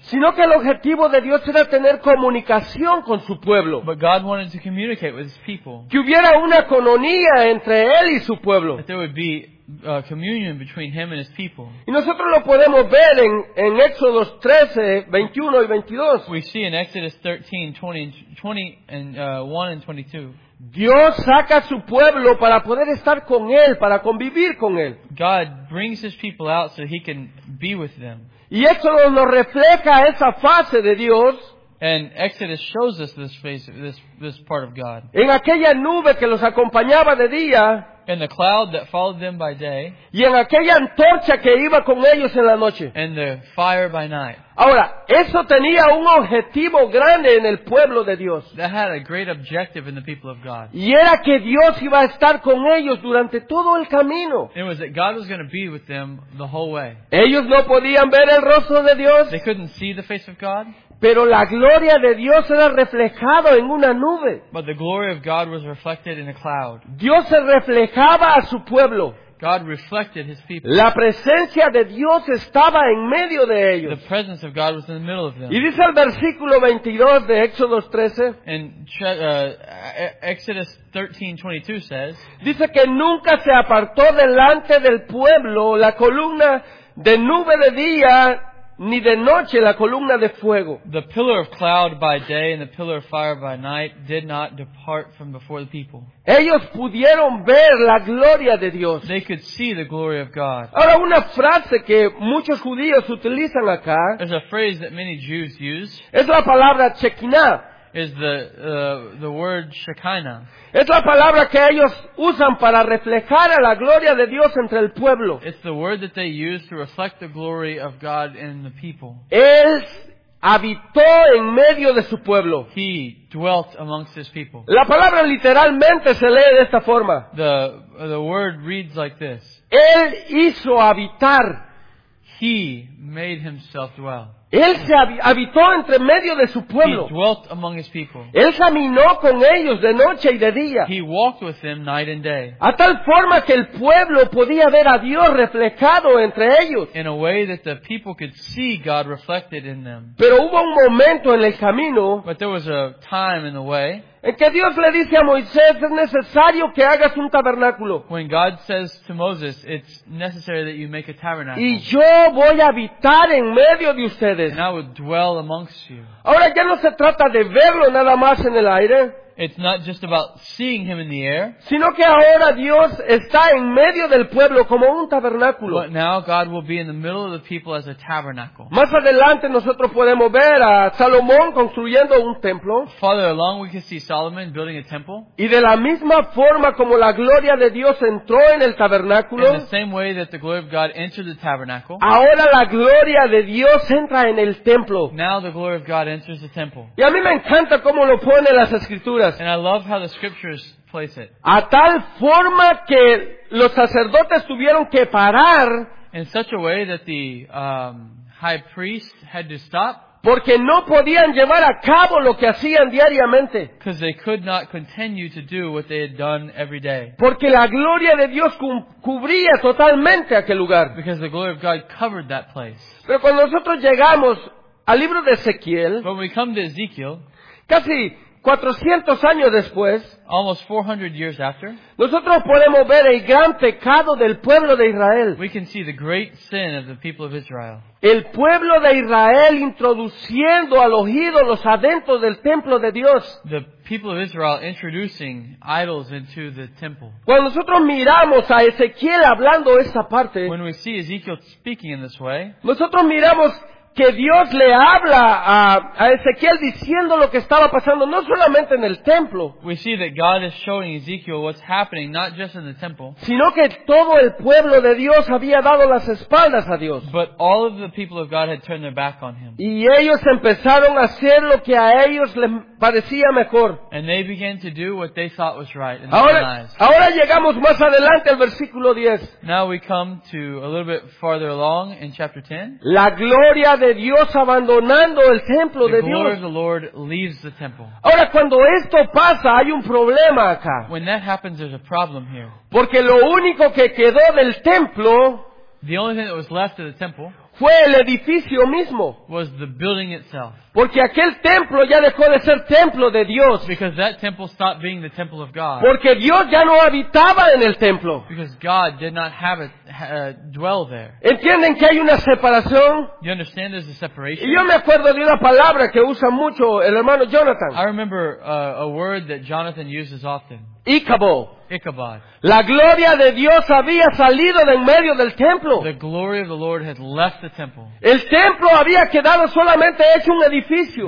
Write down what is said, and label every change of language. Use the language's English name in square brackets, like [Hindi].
[Spanish] Sino que el objetivo de Dios era tener comunicación con su pueblo. [English] But God wanted to communicate with his people. [Spanish] Que hubiera una cononía entre él y su pueblo. [English] There would be communion between him and his people. [Spanish] Y nosotros lo podemos ver en Éxodo 13, 21 y 22. [English] We see in Exodus 13, 1 and 22. [Spanish] Dios saca a su pueblo para poder estar con él, para convivir con él. [English] God brings his people out so he can be with them. [Spanish] Y Éxodo nos refleja esa fase de Dios. [English] And Exodus shows us this face, this part of God. [Spanish] En aquella nube que los acompañaba de día. [English] And the cloud that followed them by day. [Spanish] Y en aquella antorcha que iba con ellos en la noche. [English] And the fire by night. [Spanish] Ahora, eso tenía un objetivo grande en el pueblo de Dios. [English] That had a great objective in the people of God. [Spanish] Y era que Dios iba a estar con ellos durante todo el camino. [English] It was that God was going to be with them the whole way. [Spanish] Ellos no podían ver el rostro de Dios. [English] They couldn't see the face of God. [Spanish] Pero la gloria de Dios era reflejado en una nube. [English] But the glory of God was reflected in a cloud. [Spanish] Dios se reflejaba a su pueblo. [English] God reflected his people. [Spanish] La presencia de Dios estaba en medio de ellos. [English] The presence of God was in the middle of them. [Spanish] Y dice el versículo 22 de Éxodos 13. [English] And Exodus 13:22 says. [Spanish] Dice que nunca se apartó delante del pueblo la columna de nube de día ni de noche la columna de fuego. [English] The pillar of cloud by day and the pillar of fire by night did not depart from before the people. [Spanish] Ellos pudieron ver la gloria de Dios. [English] They could see the glory of God. [Spanish] Ahora, una frase que muchos judíos utilizan acá. [English] There's a phrase that many Jews use. [Spanish] Es la palabra Shekinah. [English] Is the word Shekinah. [Spanish] Es la palabra que ellos usan para reflejar a la gloria de Dios entre el pueblo. [English] It's the word that they use to reflect the glory of God in the people. [Spanish] Él habitó en medio de su pueblo. [English] He dwelt amongst his people. [Spanish] La palabra literalmente se lee de esta forma. [English] The word reads like this. [Spanish] Él hizo habitar. [English] He made himself dwell. [Spanish] Él se habitó entre medio de su pueblo. [English] He dwelt among his people. [Spanish] Él caminó con ellos de noche y de día. [English] He walked with them night and day. [Spanish] A tal forma que el pueblo podía ver a Dios reflejado entre ellos. [English] In a way that the people could see God reflected in them. [Spanish] Pero hubo un momento en el camino. [English] But there was a time in the way. [Spanish] En que Dios le dice a Moisés, es necesario que hagas un tabernáculo. [English] When God says to Moses, it's necessary that you make a tabernacle. [Spanish] Y yo voy a habitar en medio de ustedes. [English] And I will dwell amongst you. [Spanish] Ahora ya no se trata de verlo nada más en el aire. [English] It's not just about seeing him in the air. [Spanish] Sino que ahora Dios está en medio del pueblo como un tabernáculo. [English] But now God will be in the middle of the people as a tabernacle. [Spanish] Más adelante nosotros podemos ver a Salomón construyendo un templo. [English] Farther along we can see Solomon building a temple. [Spanish] Y de la misma forma como la gloria de Dios entró en el tabernáculo. [English] In the same way that the glory of God entered the tabernacle. [Spanish] Ahora la gloria de Dios entra en el templo. [English] Now the glory of God enters the temple. [Spanish] Y a mí me encanta cómo lo pone las escrituras. [English] And I love how the scriptures place it. [Spanish] A tal forma que los sacerdotes tuvieron que parar. [English] In such a way that the high priest had to stop. [Spanish] Porque no podían llevar a cabo lo que hacían diariamente. [English] Because they could not continue to do what they had done every day. [Spanish] Porque la gloria de Dios cubría totalmente aquel lugar. [English] Because the glory of God covered that place. [Spanish] Pero cuando nosotros llegamos al libro de Ezequiel. [English] When we come to Ezekiel. [Spanish] Casi 400 años después, [English] almost 400 years after, [Spanish] nosotros podemos ver el gran pecado del pueblo de Israel. [English] We can see the great sin of the people of Israel. [Spanish] El pueblo de Israel introduciendo a los ídolos adentro del templo de Dios. [English] The people of Israel introducing idols into the temple. [Spanish] Cuando nosotros miramos a Ezequiel hablando esta parte, [English] when we see Ezekiel speaking in this way, [Spanish] nosotros miramos que Dios le habla a Ezequiel diciendo lo que estaba pasando, no solamente en el templo. [English] We see that God is showing Ezekiel what's happening, not just in the temple. [Spanish] Sino que todo el pueblo de Dios había dado las espaldas a Dios. [English] But all of the people of God had turned their back on him. [Spanish] Y ellos empezaron a hacer lo que a ellos les parecía mejor. [English] And they began to do what they thought was right in [Spanish] ahora, [English] their eyes. [Spanish] Ahora llegamos más adelante al versículo 10. [English] Now we come to a little bit farther along in chapter 10. [Spanish] La gloria de Dios abandonando el templo [English] the [Spanish] de Dios. [English] The glory of the Lord leaves the temple. [Spanish] Ahora cuando esto pasa hay un problema acá. [English] When that happens there's a problem here. [Spanish] Porque lo único que quedó del templo. [English] The only thing that was left of the temple. [Spanish] Fue el edificio mismo. [English] Was the building itself. [Spanish] Porque aquel templo ya dejó de ser templo de Dios. [English] Because that temple stopped being the temple of God. [Spanish] Porque Dios ya no habitaba en el templo. [English] Because God did not have it dwell there. [Spanish] ¿Entienden que hay una separación? [English] You understand there's a separation. [Spanish] Y yo me acuerdo de una palabra que usa mucho el hermano Jonathan. [English] I remember a word that Jonathan uses often. [Spanish] Ichabod. [English] Ichabod. [Spanish] La gloria de Dios había salido de en medio del templo. [English] The glory of the Lord had left the temple. [Spanish] El templo había quedado solamente hecho un edificio.